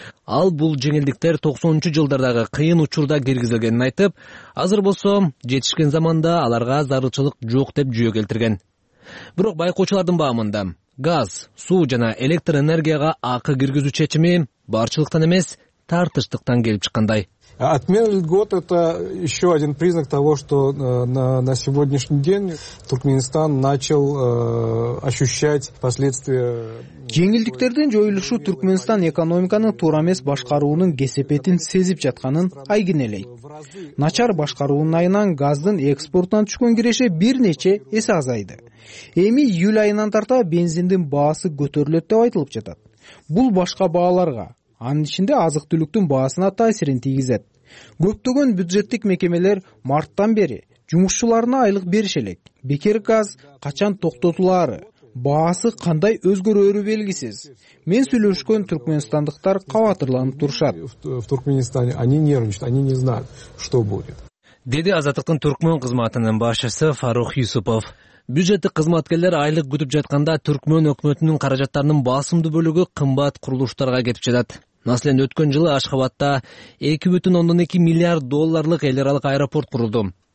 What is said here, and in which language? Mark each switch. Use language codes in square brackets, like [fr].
[ky] Ал бул жеңилдиктер 90-жылдардагы кыйын учурда киргизилгенин айтып, азыр болсо жетишкен заманда аларга зарылчылык жок деп жүйө келтирген. Бирок байкоочулардын баамында газ, суу жана электр энергияга акы киргизүү чечими барчылыктан эмес, тартыштыктан келип чыккандай. [ru] Отмена льгот — это еще один признак того, что на сегодняшний день Туркменистан начал ощущать последствия. [ky] Жеңилдиктердин жоюлушу Туркменистан экономиканын туура эмес башкаруунун кесепетин сезип жатканын айгинелейт. Начар башкаруунун айынан газдын экспортунан түшкөн киреше бир нече эсе азайды. Эми июль айынан тарта бензиндин баасы көтөрүлөт деп айтылып жатат. Бул башка бааларга, анын ичинде азык-түлүктүн баасына таасирин тийгизет. Көптөгөн бюджеттик мекемелер марттан бери жумушчуларына айлык бериш элек. Бекер газ качан токтотулары, баасы кандай өзгөрөөрү белгисиз. Мен сүйлөшкөн түркмөнстандыктар кабатырланып турушат. [ru] В Туркменистане они нервничают, они не знают, что будет. [ky] Деди Азаттыктын түркмөн кызматынын башчысы Фарух Юсупов. Бюджеттик кызматкерлер айлык күтүп жатканда түркмөн өкмөтүнүн каражаттарынын басымдуу бөлүгү кымбат курулуштарга кетип жатат. Маселен, өткөн жылы Ашхабадта 2,2 миллиард долларлык эл аралык аэропорт курулду.